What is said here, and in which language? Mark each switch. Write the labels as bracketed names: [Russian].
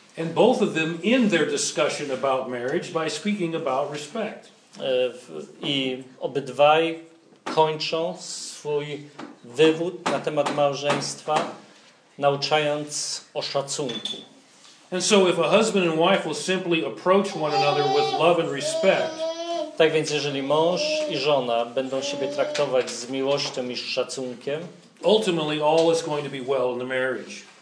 [English] And both of them end their discussion about marriage by speaking about respect. [Polish] I obydwaj kończą swój wywód na temat małżeństwa, nauczając o szacunku. [English] And so if a husband and wife will simply approach one another with love and respect, [Polish] tak więc jeżeli mąż i żona będą siebie traktować z miłością i z szacunkiem, [English] ultimately all is going to be well in the marriage.